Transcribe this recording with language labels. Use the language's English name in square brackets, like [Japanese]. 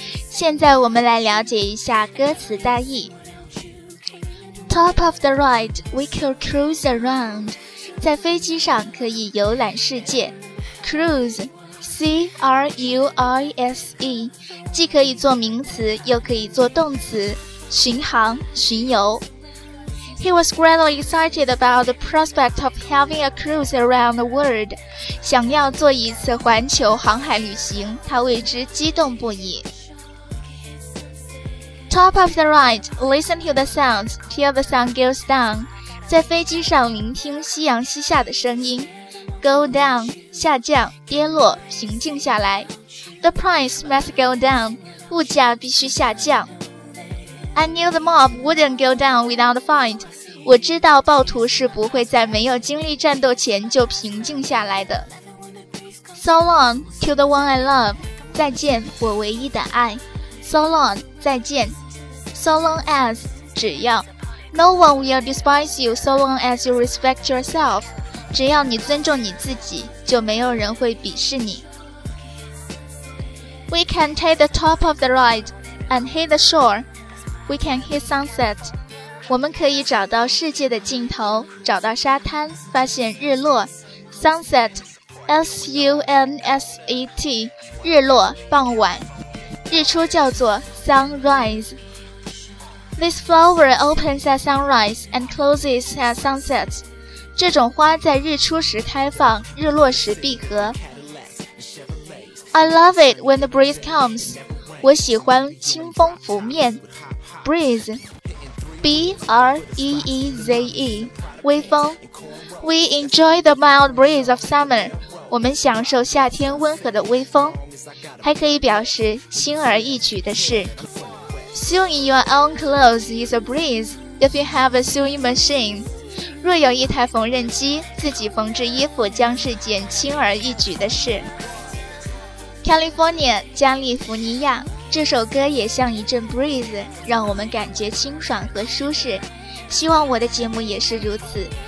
[Chinese] 现在我们来了解一下歌词大意。 [English] Top of the ride, we could cruise around. [Chinese] 在飞机上可以游览世界。 Cruise, C-R-U-I-S-E, 既可以做名词，又可以做动词，巡航，巡游。 [English] He was greatly excited about the prospect of having a cruise around the world. [Chinese] 想要做一次环球航海旅行，他为之激动不已。 [English] Top of the ride, listen to the sounds till the sun goes down. [Chinese] 在飞机上聆听夕阳西下的声音。 Go down, 下降，跌落，平静下来。 [English] The price must go down, [Chinese] 物价必须下降。 [English] I knew the mob wouldn't go down without a fight. [Chinese] 我知道暴徒是不会在没有经历战斗前就平静下来的。 [English] So long to the one I love. [Chinese] 再见，我唯一的爱。 [English] So long, 再见。So long as, 只要。 No one will despise you so long as you respect yourself. [Chinese] 只要你尊重你自己，就没有人会鄙视你。 [English] We can take the top of the ride and hit the shore. We can hit sunset. [Chinese] 我们可以找到世界的尽头，找到沙滩，发现日落。 Sunset, S-U-N-S-E-T, 日落，傍晚。日出叫做 sunrise. [English] This flower opens at sunrise and closes at sunset. [Chinese] 这种花在日出时开放，日落时闭合。 [English] I love it when the breeze comes. [Chinese] 我喜欢清风拂面。 Breeze, B-R-E-E-Z-E, 微风。 [English] We enjoy the mild breeze of summer. [Chinese] 我们享受夏天温和的微风。还可以表示轻而易举的事。 [English] Sewing your own clothes is a breeze if you have a sewing machine. [Chinese] 若有一台缝纫机，自己缝制衣服将是件轻而易举的事。 California, 加利福尼亚。这首歌也像一阵 breeze， 让我们感觉清爽和舒适。希望我的节目也是如此。